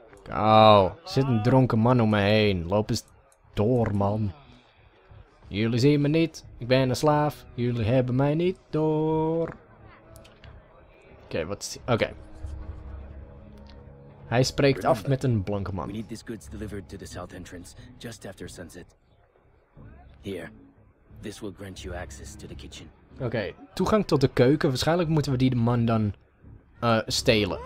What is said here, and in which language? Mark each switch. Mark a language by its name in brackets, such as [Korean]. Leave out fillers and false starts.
[Dutch] Oh, zit een dronken man om me heen. Loop eens door, man. Jullie zien me niet. Ik ben een slaaf. Jullie hebben mij niet door. Oké, wat is... Oké. Hij spreekt af met een blanke man. [English] We need these goods delivered to the south entrance just after sunset. Here, this will grant you access to the kitchen. [Dutch] Oké, toegang tot de keuken. Waarschijnlijk moeten we die man dan stelen.